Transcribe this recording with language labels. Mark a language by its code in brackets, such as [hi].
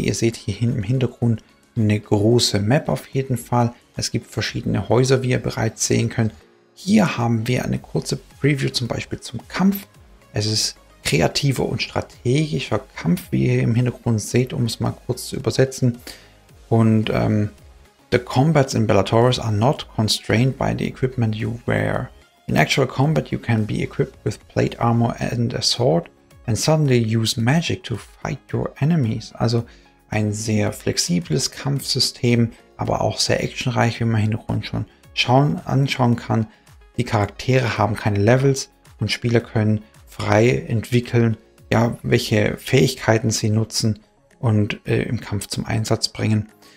[de] Ihr seht hier hinten im Hintergrund eine große Map auf jeden Fall. Es gibt verschiedene Häuser, wie ihr bereits sehen könnt. Hier haben wir eine kurze Preview zum Beispiel zum Kampf. Es ist kreativer und strategischer Kampf, wie ihr im Hintergrund seht, um es mal kurz zu übersetzen. [en] Und the combats in Bellatoris are not constrained by the equipment you wear. In actual combat you can be equipped with plate armor and a sword and suddenly use magic to fight your enemies. [de] Also ein sehr flexibles Kampfsystem, aber auch sehr actionreich, wie man im Hintergrund schon anschauen kann. Die Charaktere haben keine Levels und Spieler können frei entwickeln, ja, welche Fähigkeiten sie nutzen und im Kampf zum Einsatz bringen.